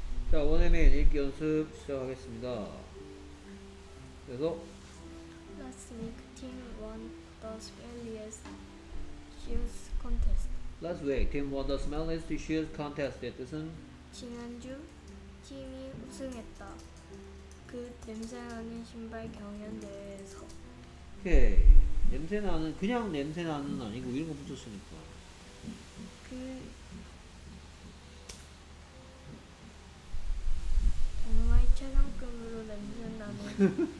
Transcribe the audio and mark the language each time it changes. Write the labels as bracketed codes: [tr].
[ko] 자, 원어민 읽기 연습 시작하겠습니다. 그래서 [en] Last week, Tim won the smelliest shoes contest. Last week, Tim won the smelliest shoes contest. [ko] 뜻은 지난주 팀이 우승했다. 그 냄새 나는 신발 경연대회에서. 오케이. 냄새 나는 그냥 냄새 나는 아니고 이런 거 붙였으니까. 그 최상급으로 냄새나는